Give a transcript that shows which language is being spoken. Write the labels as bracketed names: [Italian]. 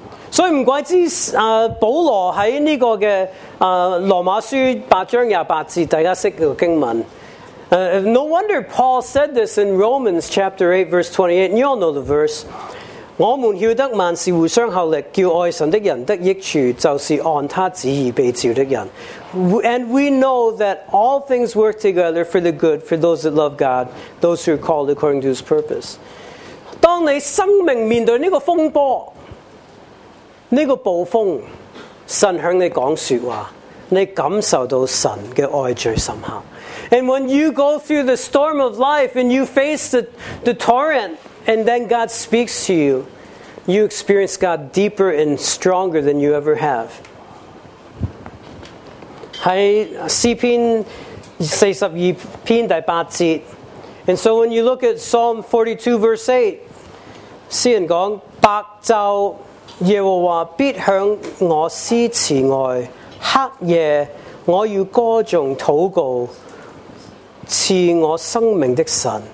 [Chinese] 所以不怪之保罗在这个的罗马书八章二十八节，大家识个经文。 [English] No wonder Paul said this in Romans chapter 8, verse 28. And you all know the verse. [Chinese] 我们晓得万事互相效力，叫爱神的人得益处，就是按他旨意被召的人。 [English] And we know that all things work together for the good, for those that love God, those who are called according to His purpose. [Chinese] 当你生命面对这个风波，这个暴风，神向你讲说话，你感受到神的爱最深刻。 [English] And when you go through the storm of life and you face the torrent and then God speaks to you, you experience God deeper and stronger than you ever have. [Chinese] 在诗篇四十二篇第八节。 [English] And so when you look at Psalm 42 verse 8, [Chinese] 诗人讲，白昼耶和华必向我施慈爱，黑夜我与歌颂祷告。赐我生命的神。